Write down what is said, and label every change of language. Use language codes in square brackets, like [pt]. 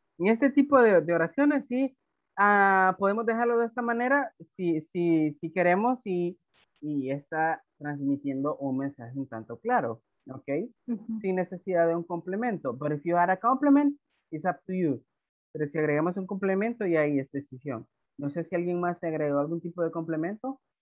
[es] En este tipo de oraciones, sí, podemos dejarlo de esta manera si queremos y está transmitiendo un mensaje un tanto claro. Okay. Mm-hmm. Sin necesidad de un complemento. [en] But if you add a complement, it's up to you. [es] Pero si agregamos un complemento, ya ahí es decisión. No sé si alguien más se agregó algún tipo de complemento.